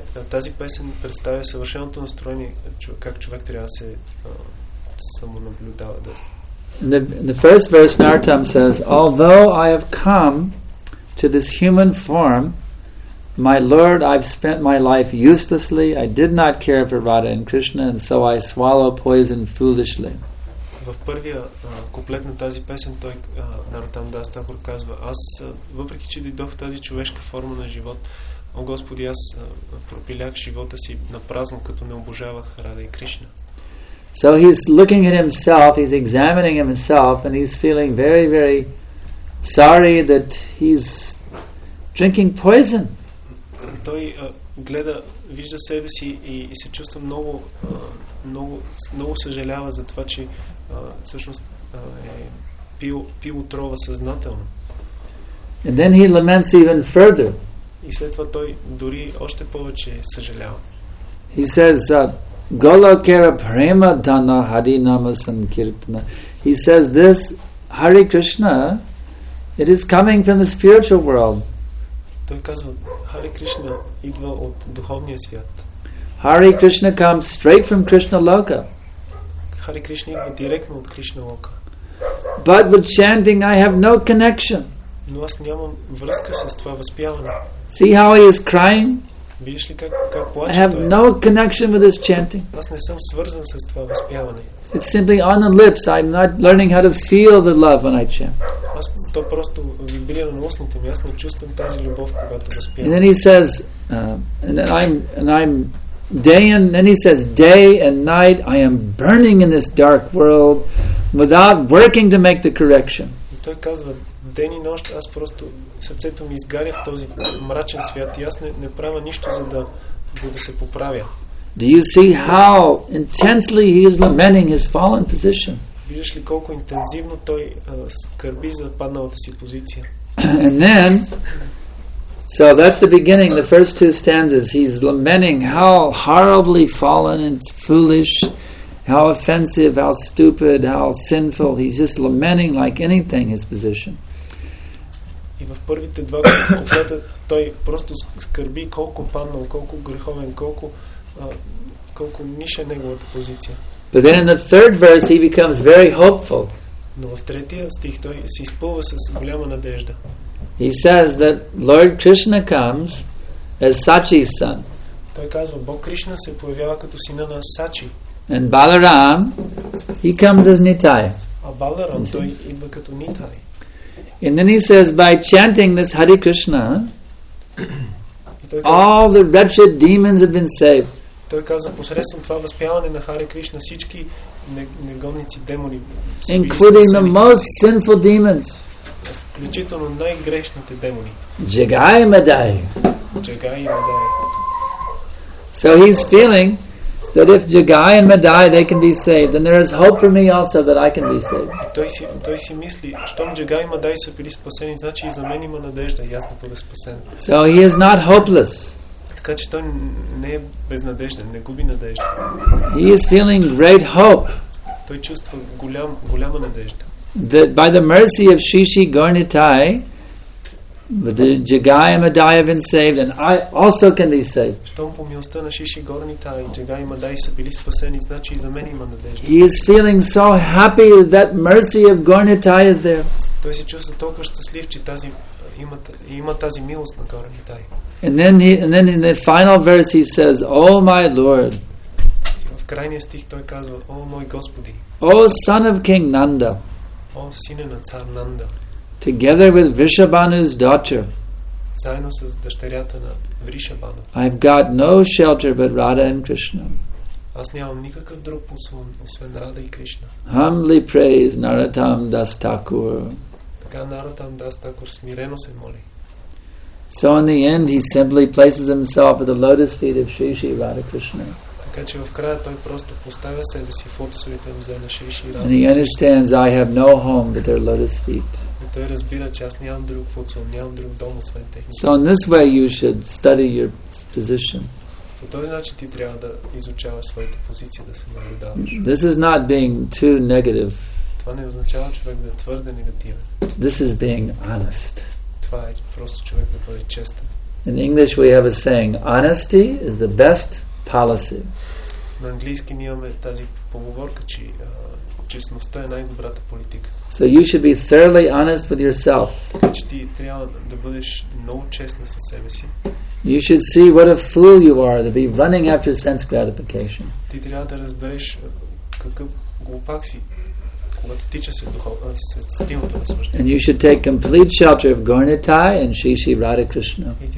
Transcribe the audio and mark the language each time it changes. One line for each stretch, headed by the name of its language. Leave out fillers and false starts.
Bulgarian: Тази песен представя съвършеното настроение, как човек трябва да се самонаблюдава.
English: In the first verse, Narottam says, although I have come to this human form, my Lord, I've spent my life uselessly. I did not care for Radha and Krishna, and so I swallow poison foolishly.
Bulgarian: В в първия куплет на тази песен той, Наротам Дас Такур, казва: аз, въпреки че дойдох в тази човешка форма на живот, о Господи, аз пропилях живота си напразно, като не обожавах Рада и Кришна.
English: So he's looking at himself, he's examining himself, and he's feeling very, very sorry that he's drinking poison.
Bulgarian: Той гледа, вижда себе си и се чувства много, много, много съжалява за това, че всъщност е пил отрова съзнателно.
English: And then he laments even further.
Bulgarian: И след това той дори още повече съжалява.
English: He says,
Bangla: Golokera prema dana hari nama sankirtana.
English: He says this Hare Krishna, it is coming from the spiritual world.
Bulgarian: Той казва, Hare Krishna идва от духовния свят.
English: Hare Krishna comes straight from Krishna Loka.
Bulgarian: Hare Krishna идва директно от Кришна Лока.
English: But with chanting I have no connection.
Bulgarian: Но аз нямам връзка с това възпяване.
English: See how he is crying?
Bulgarian: Видиш ли как плаче?
English: I have no connection with this chanting.
Bulgarian: Аз не съм свързан с това възпяване.
English: It's simply on the lips. I'm not learning how to feel the love when I chant.
Bulgarian: Аз то просто вибрира на устните ми. Аз не чувствам тази любов, когато възпявам.
English: And then he says, and then he says, day and night I am burning in this dark world without working to make the correction.
Bulgarian: И той казва, ден и нощ аз просто сърцето ми изгаря в този мрачен свят и аз не правя нищо, за да се поправя.
English: Do you see how intensely he is lamenting his fallen position?
Bulgarian: Виждаш ли колко интензивно той скърби за падналата си позиция?
English: And then, so that's the beginning, the first two stanzas. He's lamenting how horribly fallen and foolish, how offensive, how stupid, how sinful. He's just lamenting like anything his position.
Bulgarian: И в първите два куплета той просто скърби колко паднал, колко греховен, колко ниша неговата позиция.
English: But then in the third verse he becomes very hopeful.
Bulgarian: Но в третия стих той се изпълва с голяма надежда.
English: He says that Lord Krishna comes as Sachi's son.
Bulgarian: Той казва, Бог Кришна се появява като сина на Сачи.
English: And Balaram, he comes as Nitai.
Bulgarian: А Баларам, той идва като Нитай.
English: And then he says, by chanting this Hare Krishna, all the wretched demons have been saved.
Bulgarian: Той каза, посредством това възпяване на Хари Кришна, всички негодници, демони,
English: including the most sinful demons,
Bulgarian: включително най-грешните демони. Джагай Мадай. Джагай Мадай.
English: So he's feeling that if Jagai and Madai they can be saved, then there is hope for me also that I can be saved.
Bulgarian: Той си мисли, щом Jagai и Madai са били спасени, значи и за мен има надежда, и аз да бъда спасен.
English: So he is not hopeless.
Bulgarian: Така че той не е безнадежден, не губи надежда.
English: He is feeling great hope.
Bulgarian: Той чувства голяма надежда.
English: That by the mercy of Shishi Gornitai, but the Jagai and Madai have been saved, and I also can be saved.
Bulgarian: Щом по милостта на Шиши Горнита и Джагай Мадай са били спасени, значи и за мен има надежда.
English: He is feeling so happy that mercy of Gornitai is there.
Bulgarian: Той се чувства толкова щастлив, че тази има тази милост на Горнитай.
English: And then in the final verse he says, "Oh my Lord."
Bulgarian: В крайния стих той казва, "О мой Господи."
English: O son of King Nanda.
Bulgarian: О сине на цар Нанда.
English: Together with Vrishabhanu's daughter,
Bulgarian: заедно с дъщерята на Вришабану,
English: I've got no shelter but Radha and Krishna.
Bulgarian: Аз нямам никакъв друг послан, освен Рада и Кришна.
English: Humbly praise Narottam Das Thakur.
Bulgarian: Така Narottam Das Thakur смирено се моли.
English: So in the end he simply places himself at the lotus feet of Shri Shri Radha Krishna.
Bulgarian: Така че в края той просто поставя себе си в лотосовите нозе на Шри Шри Радха.
English: And he understands I have no home but their lotus feet.
Bulgarian: Той разбира, че аз нямам друг подсол, нямам друг дом, освен техните.
English: So in this way you should study your position.
Bulgarian: По този начин ти трябва да изучаваш своята позиция, да се наблюдаваш.
English: This is not being too negative.
Bulgarian: Това не означава човек да е твърде негативен.
English: This is being honest.
Bulgarian: Това е просто човек да бъде честен.
English: In English we have a saying, honesty is the best policy.
Bulgarian: На английски ние имаме тази поговорка, че честността е най-добрата политика.
English: So you should be thoroughly honest with yourself.
Bulgarian: Така че ти трябва да бъдеш много честен със себе си.
English: You should see what a fool you are to be running after sense gratification.
Bulgarian: Ти трябва да разбереш какъв глупак си,
English: And you should take complete shelter of Gornitai and Shishi Radha Krishna.